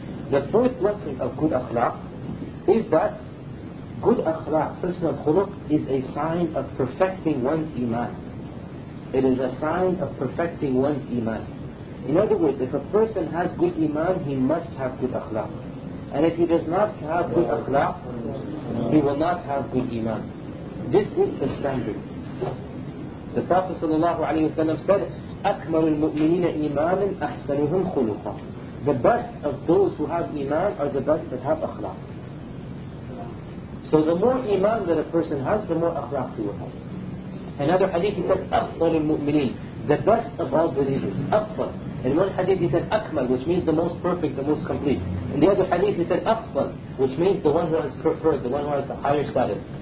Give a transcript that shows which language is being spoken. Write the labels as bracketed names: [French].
[English] The fourth blessing of good akhlaq is that good akhlaq, personal khuluq, is a sign of perfecting one's iman. It is a sign of perfecting one's iman. In other words, if a person has good iman, he must have good akhlaq. And if he does not have good akhlaq, he will not have good iman. This is the standard. The Prophet ﷺ said, [Arabic] أَكْمَلُ الْمُؤْمِنِينَ إِيمَانًا أَحْسَنُهُمْ خُلُقًا. [English] The best of those who have iman are the best that have akhlaq. So the more iman that a person has, the more akhlaq he will have. Another hadith, he said, [Arabic] أفضل المؤمنين, [English] the best of all believers, أفضل. In one hadith he said, أكمل, which means the most perfect, the most complete. In the other hadith he said, أفضل, which means the one who has preferred, the one who has the higher status.